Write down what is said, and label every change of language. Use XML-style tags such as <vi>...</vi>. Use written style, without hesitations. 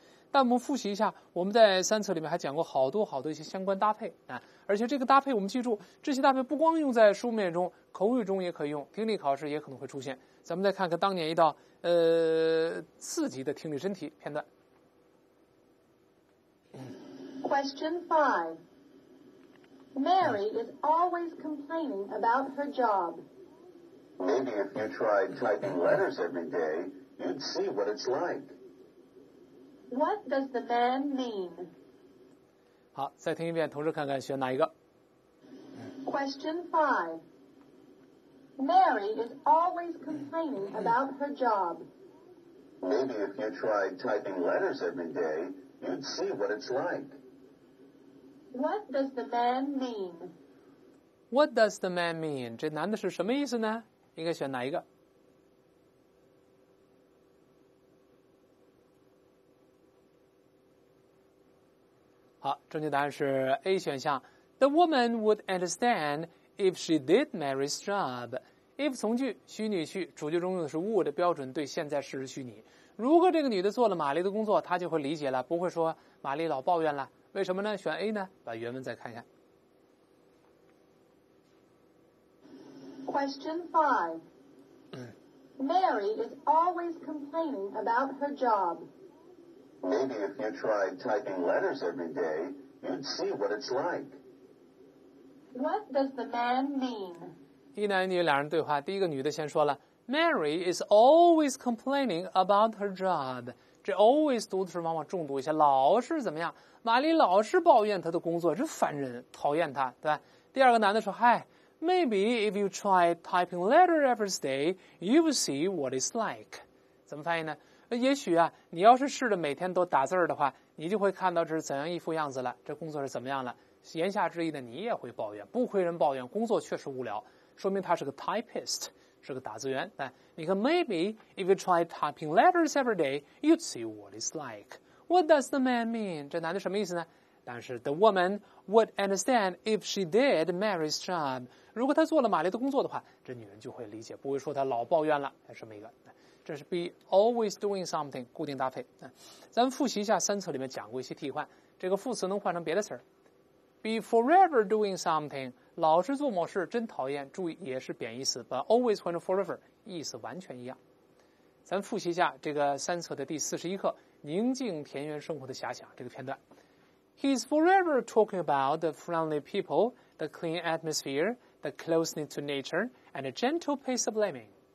<zh>但我们复习一下，我们在三册里面还讲过好多好多一些相关搭配啊。而且这个搭配我们记住，这些搭配不光用在书面中，口语中也可以用，听力考试也可能会出现。咱们再看看当年一道四级的听力真题片段。</zh> <en>Question 5 Mary is always complaining about her job. Maybe if you tried typing letters every day, you'd see what it's like. What does the man mean?</en> <zh>好，再听一遍，同时看看选哪一个。</zh> <en>Question 5. Mary is always complaining about her job. Maybe if you tried typing letters every day, you'd see what it's like. What does the man mean? What does the man mean?</en> <zh>这男的是什么意思呢？应该选哪一个？好，正确答案是 A 选项。</zh> <en>The woman would understand if she did Mary's job.</en> <zh>If 从句，虚拟句，主句中用的是 would 的标准对现在事实虚拟。如果这个女的做了玛丽的工作，她就会理解了，不会说玛丽老抱怨了。为什么呢？选 A 呢？把原文再看一下。</zh> <en>Question 5. Mary is always complaining about her job. Maybe if you tried typing letters every day, you'd see what it's like. What does the man mean?</en> <zh>一男一女两人对话，第一个女的先说了 ,</zh> <en>Mary is always complaining about her job.</en> <zh>这 always 读的时候往往重读一下，老是怎么样，玛丽老是抱怨她的工作，这烦人，讨厌她，对吧？第二个男的说，嗨，</zh> <en>Maybe if you try typing letter every day, you will see what it's like.</en> <zh>怎么翻译呢？也许啊，你要是试着每天都打字的话，你就会看到这是怎样一副样子了，这工作是怎么样了。言下之意呢，你也会抱怨，不亏人抱怨，工作确实无聊，说明他是个 typist, 是个打字员。你看 ,</zh> <en>maybe if you try typing letters every day, you'd see what it's like. What does the man mean?</en> <zh>这男的什么意思呢？但是</zh> <en>the woman would understand if she did Mary's job.</en> <zh>如果她做了玛丽的工作的话，这女人就会理解，不会说她老抱怨了。还是什么一个？这是</zh> <en>be always doing something</en> <zh>固定搭配。咱们复习一下三册里面讲过一些替换，这个副词能换成别的词。</zh> <en>Be forever doing something</en> <zh>老是做某事真讨厌，注意也是贬义词，把 always 换成 forever 意思完全一样。咱复习一下这个三册的第41课宁静田园生活的遐想这个片段。</zh> <en>He's forever talking about the friendly people, the clean atmosphere, the closeness to nature, and a gentle pace of living.</en>